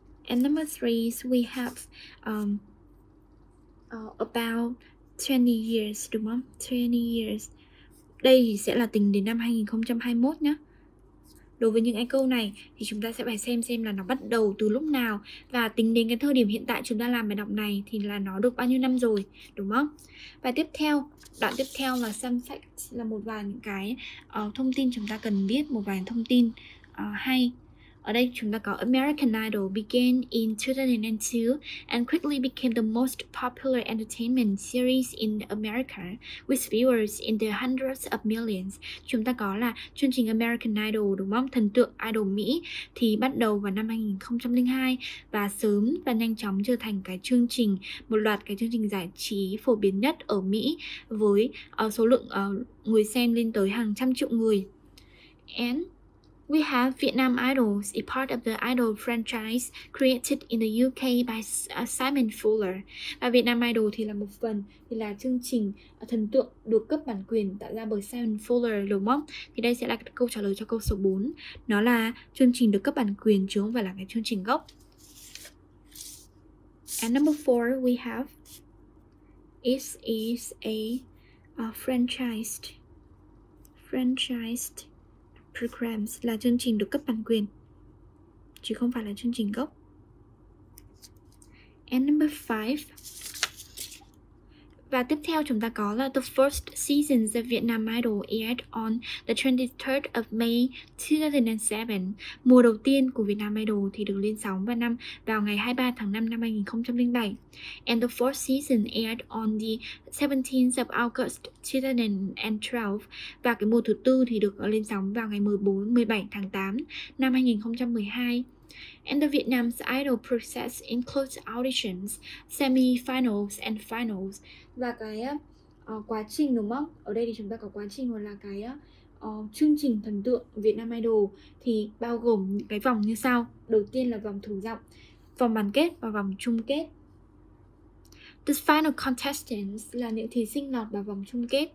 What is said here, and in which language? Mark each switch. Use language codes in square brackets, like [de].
[en] And number 3 is we have about 20 years, [vi] đúng không? [en] 20 years. [vi] Đây sẽ là tính đến năm 2021 nhá. Đối với những cái câu này thì chúng ta sẽ phải xem là nó bắt đầu từ lúc nào và tính đến cái thời điểm hiện tại chúng ta làm bài đọc này thì là nó được bao nhiêu năm rồi, đúng không? Và tiếp theo, đoạn tiếp theo là [en] some facts, [vi] là một vài những cái thông tin chúng ta cần biết, một vài thông tin hay. Ở đây chúng ta có [en] American Idol began in 2002 and quickly became the most popular entertainment series in America with viewers in the hundreds of millions. [vi] Chúng ta có là chương trình American Idol, đúng không? Thần tượng Idol Mỹ thì bắt đầu vào năm 2002 và sớm và nhanh chóng trở thành cái chương trình, một loạt cái chương trình giải trí phổ biến nhất ở Mỹ với số lượng người xem lên tới hàng trăm triệu người. [en] And we have Vietnam Idol, a part of the Idol franchise created in the UK by Simon Fuller. [vi] Và Việt Nam Idol thì là một phần, thì là chương trình thần tượng được cấp bản quyền tạo ra bởi Simon Fuller, đúng không? Thì đây sẽ là câu trả lời cho câu số 4. Nó là chương trình được cấp bản quyền chứ không phải là cái chương trình gốc. [en] And number 4 we have, it is a franchised programs, [vi] là chương trình được cấp bản quyền chứ không phải là chương trình gốc. [en] And number 5. [vi] Và tiếp theo chúng ta có là [en] the first season of Vietnam Idol aired on the 23rd of May 2007. [vi] Mùa đầu tiên của Vietnam Idol thì được lên sóng vào ngày 23 tháng 5 năm 2007. [en] And the fourth season aired on the 17th of August 2012. [vi] Và cái mùa thứ tư thì được lên sóng vào ngày 17 tháng 8 năm 2012. [en] And the Vietnam's idol process includes auditions, semi-finals and finals. [vi] Và cái quá trình, đúng không? Ở đây thì chúng ta có quá trình là cái chương trình thần tượng Vietnam Idol thì bao gồm cái vòng như sau. Đầu tiên là vòng thử giọng, vòng bán kết và vòng chung kết. [en] The final contestants [vi] là những thí sinh lọt vào vòng chung kết.